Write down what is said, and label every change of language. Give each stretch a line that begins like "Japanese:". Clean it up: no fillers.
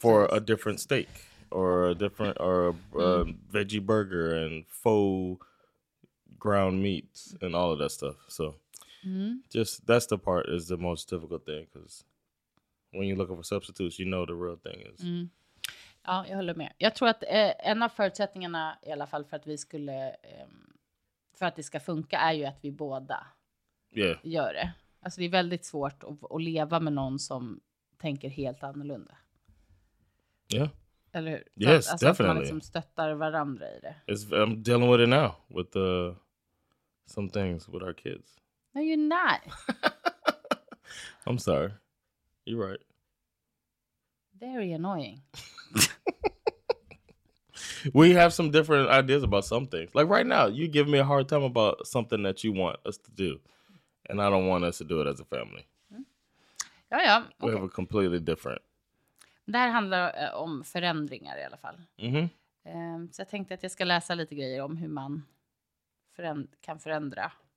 English: For a different steak or a different or a veggie burger and faux ground meats and all of that stuff. So, just that's the part is the most difficult thing, because when you're looking for substitutes, you know the real thing is.
Swedish: Mm. Ja, jag håller med. Jag tror att en av förutsättningarna i alla fall för att vi skulle för att det ska funka är ju att vi båda gör det. Alltså det är väldigt svårt att leva med någon som tänker helt annorlunda. Ja. Yeah. Eller hur? Yes, alltså definitely. Att man liksom stöttar varandra i det.
English: I'm dealing with it now with the some things with our kids. No, you're not. I'm sorry. You're right. Very annoying. We have some different ideas about some things. Like right now, you give me a hard time about something that you want us to do. And I don't want us to do it as a family.
Swedish: Mm. Ja, ja. Okay.
English: We have a completely different...
Swedish: Det här handlar om förändringar i alla fall. Mm-hmm. Så jag tänkte att jag ska läsa lite grejer om hur man kan förändra.